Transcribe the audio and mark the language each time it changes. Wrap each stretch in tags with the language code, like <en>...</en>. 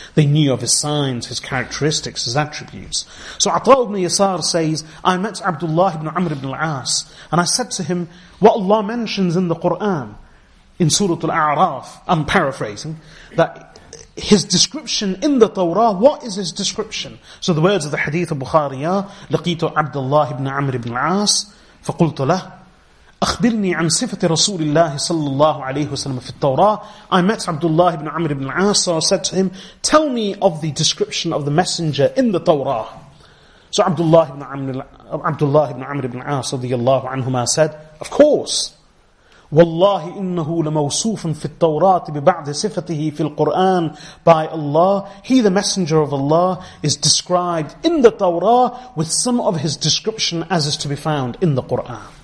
<en>They knew of his signs, his characteristics, his attributes. So Ata ibn Yasar says, I met Abdullah ibn Amr ibn al-As, and I said to him, what Allah mentions in the Quran, in Surah Al-A'raf, I'm paraphrasing, that his description in the Torah, what is his description? So the words of the Hadith of Bukhari,</en> <ar>لَقِيتُ عَبْدُ اللَّهِ ibn Amr ibn al-As, فَقُلْتُ لَهُ أخبرني عن صفة رسول الله صلى الله عليه وسلم في التوراة.</ar> <en>I met Abdullah ibn Amr ibn al-As, so I said to him, tell me of the description of the messenger in the Torah. So Abdullah ibn Amr ibn al-As رضي الله عنهما said, of course,</en> <ar>والله إنه لموصوف في التوراة ببعض صفته في القرآن,</ar> <en>by Allah, he, the messenger of Allah, is described in the Torah with some of his description as is to be found in the Quran.</en>